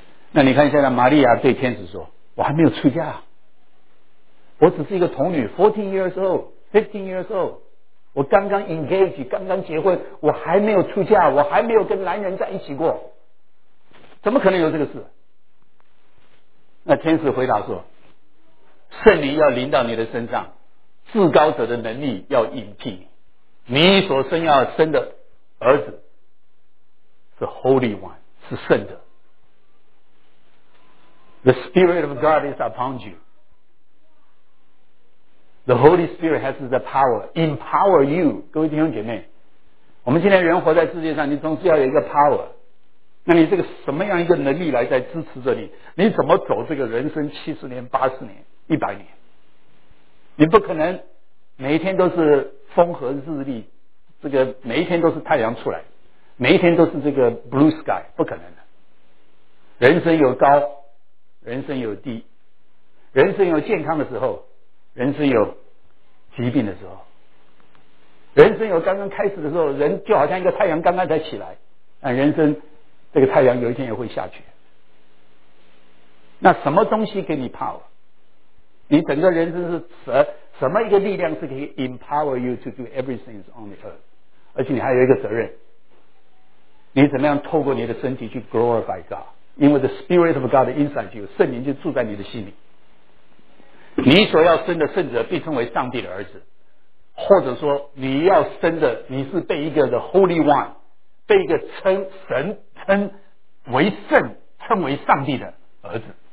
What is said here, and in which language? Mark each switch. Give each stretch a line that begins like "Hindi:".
Chinese: 那你看现在玛利亚对天使说，我还没有出嫁，我只是一个童女， 14 years old, 15 years old, 我刚刚 engage, 刚刚结婚，我还没有出嫁，我还没有跟男人在一起过，怎么可能有这个事？那天使回答说，圣灵要临到你的身上，至高者的能力要引替你，你所生要生的儿子是 Holy One, 是圣的。
English: The Spirit of God is upon you. The Holy Spirit has the power empower you.
Chinese: 各位弟兄姐妹，我们今天人活在世界上，你总是要有一个 power, 那你这个什么样一个能力来在支持着你，你怎么走这个人生70年80年100年，你不可能每一天都是风和日丽，这个每一天都是太阳出来，每一天都是这个 blue sky, 不可能的。人生有高，人生有低，人生有健康的时候，人生有疾病的时候，人生有刚刚开始的时候，人就好像一个太阳刚刚才起来，但人生这个太阳有一天也会下去。那什么东西给你 power? 你整个人生是什么一个力量是可以 empower you to do everything on the earth? 而且你还有一个责任，你怎么样透过你的身体去 glorify God? 因为 the spirit of God inside you, 圣灵就住在你的心里，你所要生的圣者被称为上帝的儿子，或者说你要生的，你是被一个 the holy one, 被一个称神称为圣称为上帝的儿子。